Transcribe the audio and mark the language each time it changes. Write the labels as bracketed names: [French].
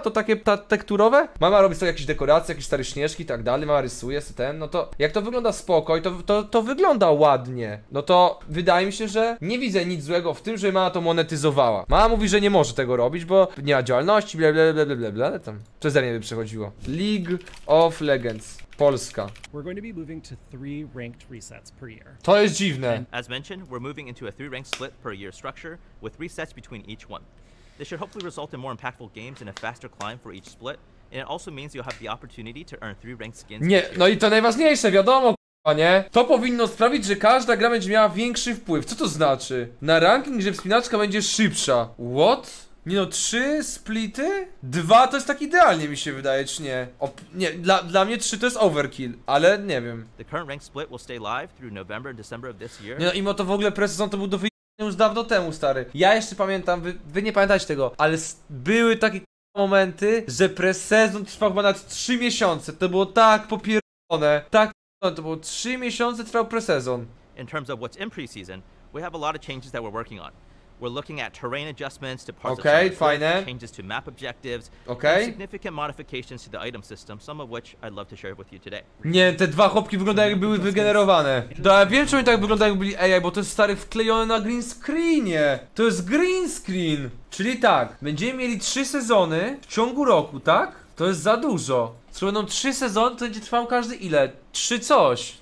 [Polish] To takie tekturowe? Mama robi sobie jakieś dekoracje, jakieś stare śnieżki i tak dalej, mama rysuje sobie ten, no to jak to wygląda spoko i to wygląda ładnie, no to wydaje mi się, że nie widzę nic złego w tym, że mama to monetyzowała. Mama mówi, że nie może tego robić, bo nie ma działalności, bla, ale tam przeze mnie by przechodziło. League of Legends. Polska. [English] We're going to be moving to 3 ranked resets per year. [Polish] To jest dziwne. [English] And as mentioned, we're moving into a 3 ranked split per year structure with resets between each one. This should hopefully result in more impactful games and a faster climb for each split. And it also means you'll have the opportunity to earn 3 ranked skins. [Polish] Nie, no i to najważniejsze, wiadomo. Panie, to powinno sprawić, że każda gra będzie miała większy wpływ. Co to znaczy? Na ranking, że wspinaczka będzie szybsza. [English] What? [Polish] Nie no, 3 splity? 2 to jest tak idealnie, mi się wydaje, czy nie? Nie, dla mnie 3 to jest overkill, ale nie wiem. [English] The current rank split will stay live through November and December of this year. [Polish] Nie no, mimo to w ogóle presezon to był do wyjścia już dawno temu, stary. Ja jeszcze pamiętam, wy nie pamiętacie tego, ale były takie momenty, że presezon trwał chyba nawet 3 miesiące. To było tak popierdolone, tak popierdolone. To było 3 miesiące trwał presezon. [English] In terms of what's in preseason, we have a lot of changes that we're working on. We're looking at terrain adjustments to parts okay, of the map, changes to map objectives, okay. Significant modifications to the item system, some of which I'd love to share with you today. [Polish] Nie, te dwa chłopki wyglądają jakby były wygenerowane. Da, ja wiem, czemu oni tak wyglądają jakby byli AI, bo to jest stary wklejone na green screenie. To jest green screen. Czyli tak, będziemy mieli 3 sezony w ciągu roku, tak? To jest za dużo. Skoro będą 3 sezony, to będzie trwał każdy ile? 3 coś.